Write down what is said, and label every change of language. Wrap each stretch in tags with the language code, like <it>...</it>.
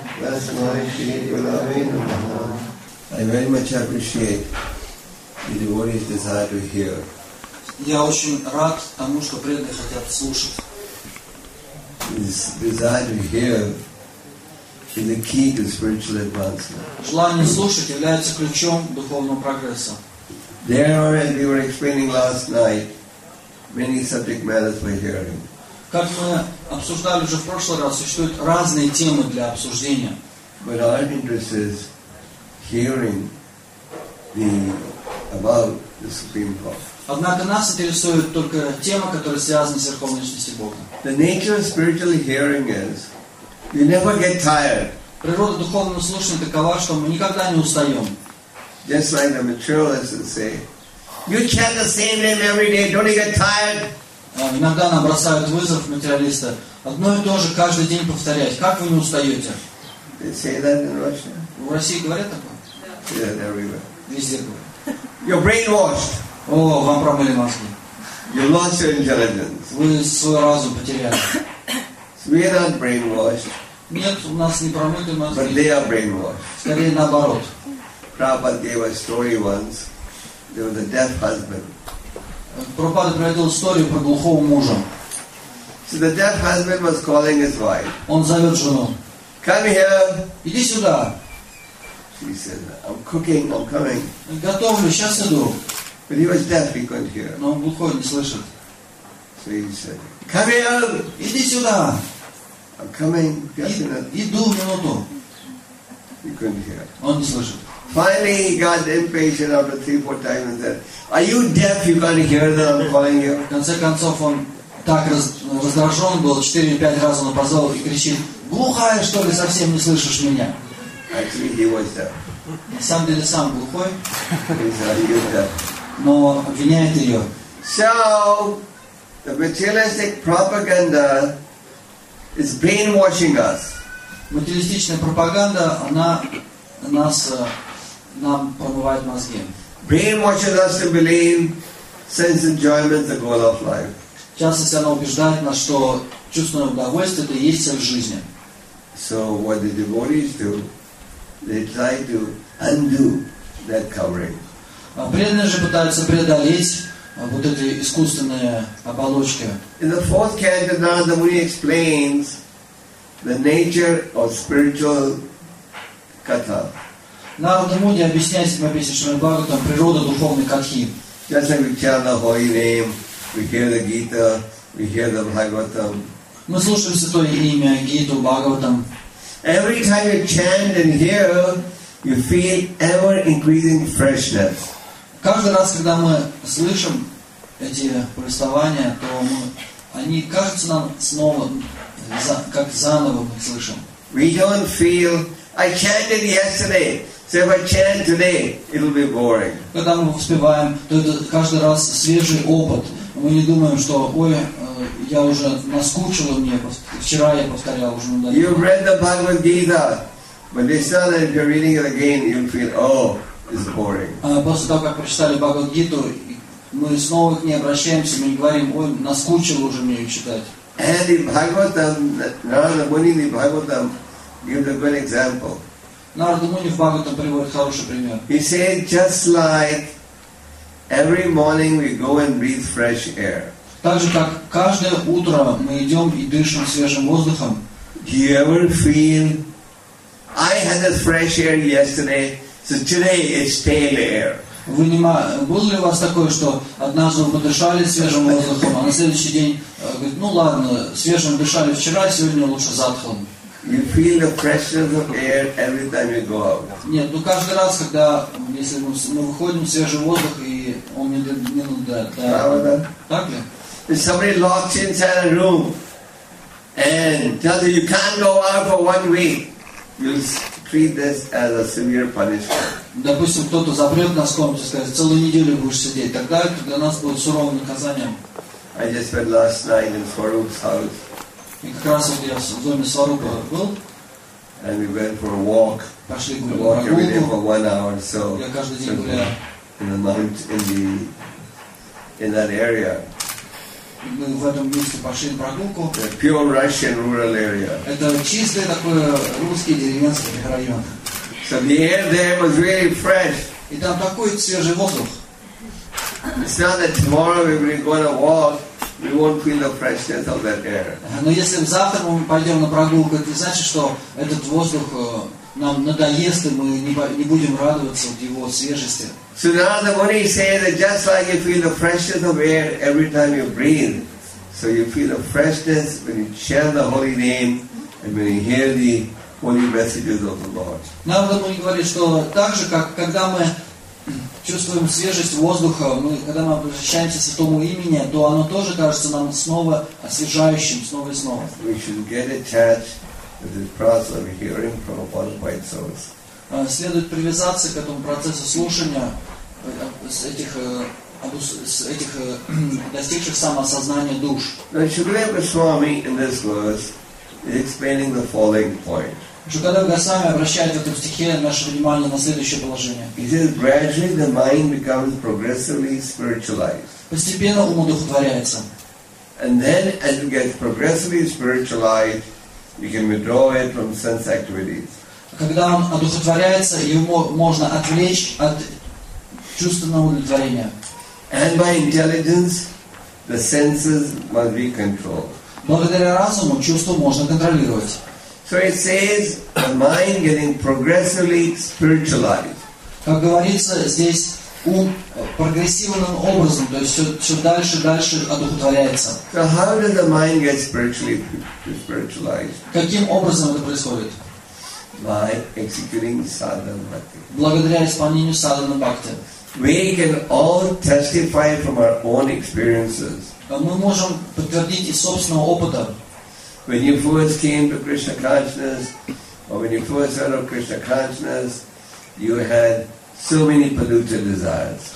<en>I very much appreciate the devotees' desire to hear.</en> <ru>Я очень рад тому, что преданные хотят слушать.</ru> <en>This desire to hear is the key to spiritual advancement.</en> <ru>Желание слушать является ключом духовного прогресса.</ru> <en>There are, as we were explaining last night, many subject matters for hearing.</en> <ru>Как мы обсуждали уже в прошлый раз, существуют разные темы для обсуждения.</ru> <en>But our interest is hearing the about the Supreme Lord.</en> <ru>Однако нас интересует только тема, которая связана с Верховной Личностью Бога.</ru> <en>The nature of spiritual hearing is you never get tired.</en> <ru>Природа духовного слушания такова, что мы никогда не устаем.</ru> <en>Just like the materialists would say, you chant the same name every day, don't you get tired?</en> <ru>Иногда нам бросают вызов материалиста. Одно и то же каждый день повторять. Как вы не устаете?</ru> <en>They say that in Russia.</en> <ru>В России говорят такое?</ru> <en>Yeah, everywhere.</en> <ru>Везде говорят.</ru> <en>You're brainwashed.</en> <ru>О, вам промыли мозги.</ru> <en>You lost your intelligence.</en> <ru>Вы свой разум потеряли.</ru> <en>We are not brainwashed.</en> <ru>Нет, у нас не промыты мозги.</ru> <en>But they are brainwashed.</en> <ru>Скорее наоборот.</ru> <en>Prabhupada gave a story once. There was a deaf husband.</en> <ru>Прабхупада приводил историю про глухого мужа.</ru> <en>So the deaf husband was calling his wife.</en> <ru>Он зовет жену.</ru> <en>Come here.</en> <ru>Иди сюда.</ru> <en>She said, I'm cooking. I'm coming.</en> <ru>Готовлю. Сейчас иду.</ru> <en>But he was deaf. He couldn't hear.</en> <ru>Но он глухой, не слышит.</ru> <en>So he said, come here.</en> <ru>Иди сюда.</ru> <en>I'm coming.</en> <ru>Иду минуту.</ru> <en>He couldn't hear.</en> <ru>Он не слышит.</ru> <en>Finally, he got impatient after 3-4 times and said, are you deaf? You can't hear that I'm calling you.</en> <ru>В конце концов он так раздражен был, 4-5 раз он позвал и кричит: глухая, что ли, совсем не слышишь меня?</ru> <en>Actually, he was deaf.</en> <ru>На самом деле сам глухой.</ru> <en>He said, you're deaf.</en> <ru>Но обвиняет ее.</ru> <en>So, the materialistic propaganda is brainwashing us.</en> <ru>Материалистичная пропаганда, она нас, нам промывает мозги.</ru> <en>Brainwashes us to believe sense enjoyment is the goal of life.</en> <ru>Часто она убеждает нас, что чувство удовольствия это и есть цель жизни.</ru> <en>So what the devotees do, they try to undo that covering.</en> <ru>Преданные же пытаются преодолеть вот эти искусственные оболочки.</ru> <en>In the fourth canto, Narada Muni explains the nature of spiritual katha.</en> <ru>Narada Muni объясняет себе песнями Бхагаватам природу духовной катхи.</ru> <en>Just like we chant the holy name, we hear the Gita, we hear the Bhagavatam.</en> <ru>Мы слушаем святое имя, Гиту, Бхагаватам.</ru> <en>Every time you chant and hear, you feel ever increasing freshness.</en> <ru>Каждый раз, когда мы слышим эти повествования, то мы, они кажутся нам снова, как заново мы слышим.</ru> <en>We don't feel, I chanted yesterday, so if I chant today, it'll be boring.</en> <ru>Когда мы успеваем, то это каждый раз свежий опыт. Мы не думаем, что, ой, я уже наскучило мне, вчера я повторял, уже надоело.</ru> <en>You've read the Bhagavad Gita, but they say that if you're reading it again, you'll feel, oh, it's boring.</en> <ru>После того, как прочитали Бхагавад Гиту, мы снова к ней обращаемся, мы не говорим, ой, наскучило уже мне ее читать.</ru> <en>And the Bhagavatam, Narada Muni, the Bhagavatam, gives a good example.</en> <ru>Narada Muni в Бхагаватам приводит хороший пример.</ru> <en>He said, just like every morning we go and breathe fresh air.</en> <ru>Так же, как каждое утро мы идем и дышим свежим воздухом.</ru> <en>Do you ever feel, I had a fresh air yesterday, so today it's stale air.</en> <ru>Было ли у вас такое, что однажды вы подышали свежим воздухом, а на следующий день, говорит, ну ладно, свежим дышали вчера, сегодня лучше затхлым.</ru> <en>You feel the freshness of air every time you go out.</en> <ru>Нет, ну каждый раз, когда если мы выходим в свежий воздух, и он мне надо, да, правда? Так ли?</ru> <en>If somebody locks you inside a room and tells you you can't go out for 1 week, you'll treat this as a severe punishment.</en> <ru>Допустим, кто-то запрет нас в комнате, скажет, целую неделю будешь сидеть, тогда это для нас будет суровым наказанием.</ru> <en>I just went last night in Swarup's house.</en> <ru>И как раз вот я в доме Сварупа был.</ru> <en>And we went for a walk.</en> <ru>Пошли гулять.</ru> <en>Walk every day for 1 hour. So.</en> <ru>Я каждый день гуляю.</ru> <en>In the mountain, in that area.</en> <ru>Мы в этом месте пошли на прогулку.</ru> <en>The pure Russian rural area.</en> <ru>Это чистый такой русский деревенский район.</ru> <en>So the air there was really fresh.</en> <ru>И там такой свежий воздух.</ru> <en>It's not that tomorrow we will go on a walk, we won't feel the freshness of that air.</en> <ru>Но если завтра мы пойдем на прогулку, это значит, что этот воздух нам надоест, и мы не будем радоваться его свежести.</ru> <en>So now the Muni says that just like you feel the freshness of air every time you breathe, so you feel the freshness when you chant the holy name and when you hear the holy messages of the Lord. Now the Muni</en> <ru>говорит, что так же, как когда мы чувствуем свежесть воздуха, мы, когда мы обращаемся к Святому имени, то оно тоже кажется нам снова освежающим, снова и снова.</ru> <en>We should get attached to this process of hearing Prabhupada by itself.</en> <ru>Следует привязаться к этому процессу слушания этих достигших самоосознания душ.</ru> <en>Шукадев Госвами in this verse is explaining the following point.</en> <ru>Шукадев Госвами обращает в этом стихе наше внимание на следующее положение.</ru> <en>He says, gradually the mind becomes progressively spiritualized.</en> <ru>Постепенно ум удовлетворяется.</ru> <en>And then as you get progressively spiritualized, you can withdraw it from sense activities.</en> <ru>Когда он одухотворяется, его можно отвлечь от чувственного удовлетворения.</ru> <en>And by intelligence, the senses must be controlled.</en> <ru>Благодаря разуму чувство можно контролировать.</ru> <en>So it says, the mind getting progressively spiritualized.</en> <ru>Как говорится здесь, ум прогрессивным образом, то есть все дальше и дальше одухотворяется.</ru> <en>So how does the mind get spiritualized?</en> <ru>Каким образом это происходит?</ru> <en>By executing sadhana bhakti.</en> <ru>Благодаря исполнению sadhana bhakti.</ru> <en>We can all testify from our own experiences.</en> <ru>Мы можем подтвердить из собственного опыта.</ru> <en>When you first came to Krishna consciousness, or when you first heard of Krishna consciousness, you had so many polluted desires.</en>